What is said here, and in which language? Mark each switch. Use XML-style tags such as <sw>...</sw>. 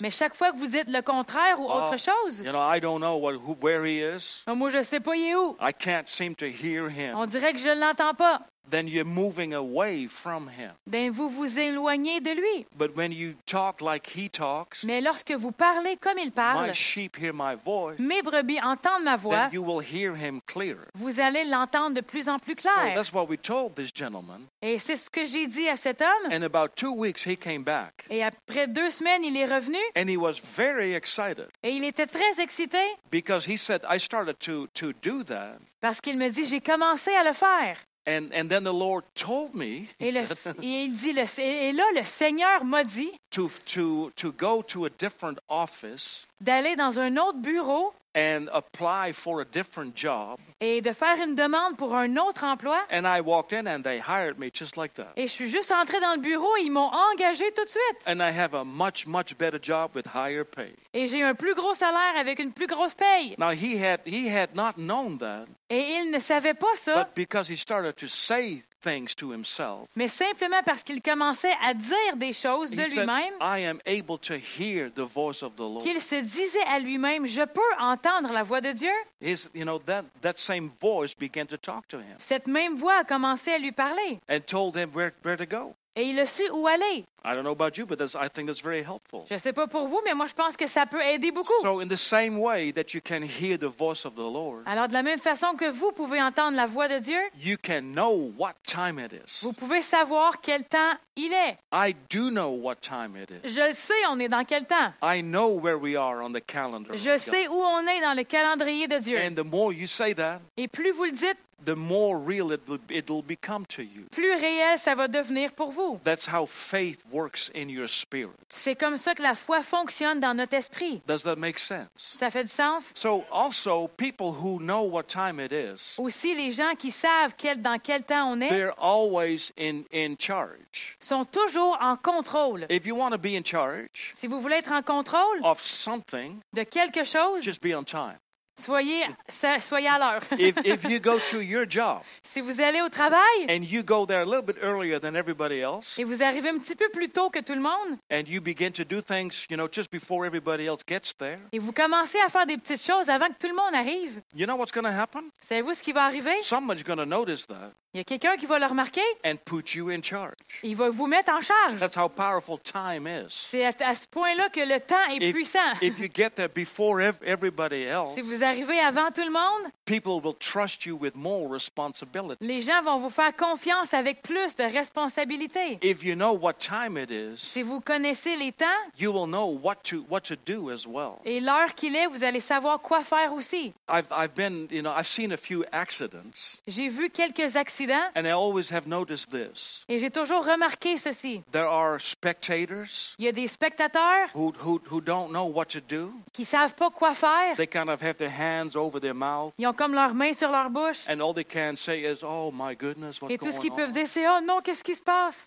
<fr>mais chaque fois que vous dites le contraire ou autre chose,</fr> <en>you know, I don't know where he is.</en> <fr>Moi, je sais pas, il est où.</fr> <en>I can't seem to hear him.</en> <fr>On dirait que je l'entends pas.</fr> <en>Then you're moving away from him.</en> <fr>Ben vous vous éloignez de lui.</fr> <en>But when you talk like he talks,</en> <fr>mais lorsque vous parlez comme il parle,</fr> <en>my sheep hear my voice,</en> <fr>mes brebis entendent ma voix,</fr> <en>then you will hear him clearer.</en> <fr>Vous allez l'entendre de plus en plus clair.</fr> <en>So that's what we told this gentleman.</en> <fr>Et c'est ce que j'ai dit à cet homme.</fr> <en>And about 2 weeks he came back.</en> <fr>Et après deux semaines il est revenu.</fr> <en>And he was very excited.</en> <fr>Et il était très excité.</fr> <en>Because he said, I started to do that.</en> <fr>Parce qu'il me dit, j'ai commencé à le faire.</fr> <en>And then the Lord told me.</en> <fr>Et là le Seigneur m'a dit</fr> <en>to go to a different office.</en> <fr>D'aller dans un autre bureau.</fr> <en>And apply for a different job.</en> <fr>Et de faire une demande pour un autre emploi.</fr> <en>And I walked in and they hired me just like that.</en> <fr>Et je suis juste entré dans le bureau et ils m'ont engagé tout de suite.</fr> <en>And I have a much, much better job with higher pay.</en> <fr>Et j'ai un plus gros salaire avec une plus grosse paye.</fr> <en>Now he had not known that.</en> <fr>Et il ne savait pas ça.</fr> <en>But because he started to say things to himself.</en> <fr>Mais simplement parce qu'il commençait à dire des choses de lui-même.</fr> <en>He said, I am able to hear the voice of the Lord.</en> <fr>Qu'il se disait à lui-même, je peux entendre la voix de Dieu.</fr> <en>His, you know, that same voice began to talk to him.</en> <fr>Cette même voix a commencé à lui parler.</fr> <en>And told him where to go.</en> <fr>Et il a su où aller.</fr> <en>I don't know about you, but I think that's very helpful.</en> <fr>Je sais pas pour vous, mais moi je pense que ça peut aider beaucoup.</fr> <en>So in the same way that you can hear the voice of the Lord.</en> <fr>Alors de la même façon que vous pouvez entendre la voix de Dieu.</fr> <en>You can know what time it is.</en> <fr>Vous pouvez savoir quel temps il est.</fr> <en>I do know what time it is.</en> <fr>Je sais on est dans quel temps.</fr> <en>I know where we are on the calendar.</en> <fr>Je sais où on est dans le calendrier de Dieu.</fr> <en>And the more you say that.</en> <fr>Et plus vous le dites.</fr> <en>The more real it'll become to you.</en> <fr>Plus réel ça va devenir pour vous.</fr> <en>That's how faith works in your spirit.</en> <fr>C'est comme ça que la foi fonctionne dans notre esprit.</fr> <en>Does that make sense?</en> <fr>Ça fait du sens?</fr> <en>So also people who know what time it is.</en> <fr>Aussi les gens qui savent dans quel temps on est.</fr> <en>They're always in charge.</en> <fr>Sont toujours en contrôle.</fr> <en>If you want to be in charge.</en> <fr>Si vous voulez être en contrôle.</fr> <en>Of something.</en> <fr>De quelque chose.</fr> <en>Just be on time.</en> <fr>Soyez à l'heure.</fr> <en>If you go to your job,</en> <fr>si vous allez au travail,</fr> <en>and you go there a little bit earlier than everybody else,</en> <fr>et vous arrivez un petit peu plus tôt que tout le monde,</fr> <en>and you begin to do things, you know, just before everybody else gets there,</en> <fr>et vous commencez à faire des petites choses avant que tout le monde arrive,</fr> <en>you know what's going to happen?</en> <fr>Savez-vous ce qui va arriver?</fr> <en>Someone's going to notice that.</en> <fr>Il y a quelqu'un qui va le remarquer.</fr> <en>And put you in charge.</en> <fr>Il va vous mettre en charge.</fr> <en>That's how powerful time is.</en> <fr>C'est à ce point-là que le temps est puissant.</fr> <en>If you get there before everybody else,</en> <fr>si vous arrivez avant tout le monde,</fr> <en>people will trust you with more responsibility.</en> <fr>Les gens vont vous faire confiance avec plus de responsabilité.</fr> <en>If you know what time it is,</en> <fr>si vous connaissez les temps,</fr> <en>you will know what to do as well.</en> <fr>Et l'heure qu'il est, vous allez savoir quoi faire aussi.</fr> <en>I've been, you know, I've seen a few accidents.</en> <fr>J'ai vu quelques accidents. évident.</fr> <en>And I always have noticed this.</en> <fr>Et j'ai toujours remarqué ceci.</fr> <en>There are spectators.</en> <fr>Il y a des spectateurs.</fr> <en>Who don't know what to do.</en> <fr>Qui savent pas quoi faire.</fr> <en>They kind of have their hands over their mouth.</en> <fr>Ils ont comme leurs mains sur leur bouche.</fr> <en>And all they can say is, "Oh my goodness, what's going on?"</en> <fr>Et tout ce qu'ils peuvent dire, c'est, "Oh non, qu'est-ce qui se passe?"</fr>